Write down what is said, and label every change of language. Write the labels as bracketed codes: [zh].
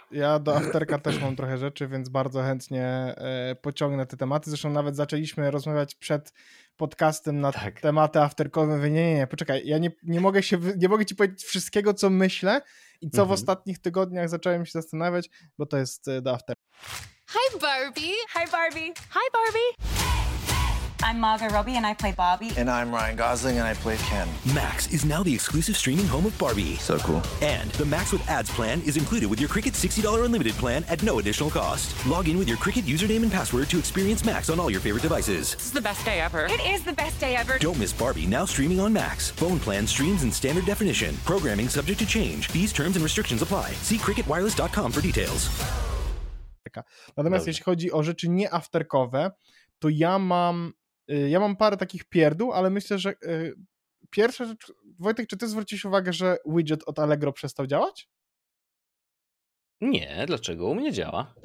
[pl] Ja do afterka też mam trochę rzeczy, więc bardzo chętnie pociągnę te tematy. Zresztą nawet zaczęliśmy rozmawiać przed podcastem na tematy afterkowe. Nie, poczekaj, ja nie mogę ci powiedzieć wszystkiego, co myślę i co w ostatnich tygodniach zacząłem się zastanawiać, bo to jest do afterka. [en] Hi Barbie. I'm Margot Robbie and I play Barbie. And I'm Ryan Gosling and I play Ken. Max is now the exclusive streaming home of Barbie. So cool. And the Max with ads plan is included with your Cricket $60 unlimited plan at no additional cost. Log in with your Cricket username and password to experience Max on all your favorite devices. This is the best day ever. It is the best day ever. Don't miss Barbie now streaming on Max. Phone plan streams in standard definition. Programming subject to change. Fees, terms and restrictions apply. See cricketwireless.com for details. [pl] Natomiast jeśli chodzi o rzeczy nie afterkowe, to ja mam parę takich pierdół, ale myślę, że pierwsza rzecz... Wojtek, czy ty zwróciłeś uwagę, że widget od Allegro przestał działać? Nie, dlaczego? U mnie działa.